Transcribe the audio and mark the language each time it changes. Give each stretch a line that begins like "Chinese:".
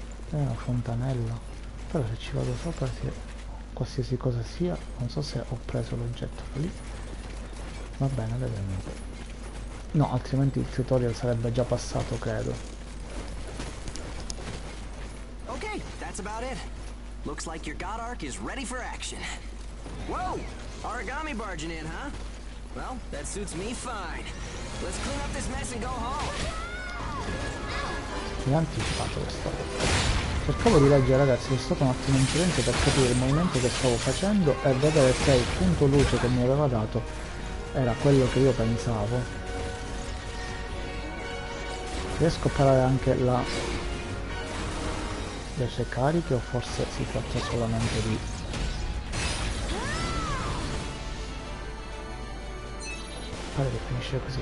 Italian: È una fontanella. Però se ci vado sopra, se qualsiasi cosa sia, non so se ho preso l'oggetto lì. Va bene, vediamo. No, altrimenti il tutorial sarebbe già passato, credo.
English: That's about it. Looks like your god arc is ready for action. Whoa! Origami barging in, huh? Well, that suits me fine. Let's clean up this mess and go home.
Italian: Mi ha anticipato questa volta. Cercavo di leggere, ragazzi, c'è stato un attimo incidente per capire il movimento che stavo facendo e vedere se il punto luce che mi aveva dato era quello che io pensavo. Riesco a parare anche la le sue cariche, o forse si tratta solamente di pare che finisce così.